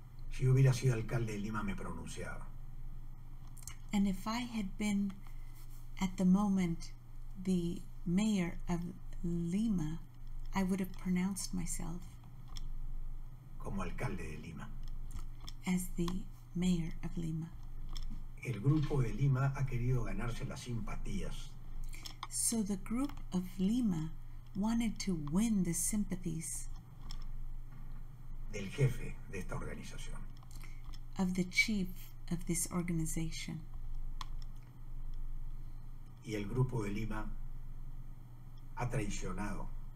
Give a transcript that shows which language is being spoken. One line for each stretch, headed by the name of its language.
Spanish: Si hubiera sido alcalde de Lima, me pronunciaba.
English: And if I had been at the moment the mayor of Lima, I would have pronounced myself
Spanish: como alcalde de Lima.
English: As the mayor of Lima.
Spanish: El grupo de Lima ha querido ganarse las simpatías.
English: So the group of Lima wanted to win the sympathies
Spanish: del jefe de esta organización.
English: Of the chief of this organization.
Spanish: Y el grupo de Lima ha traicionado.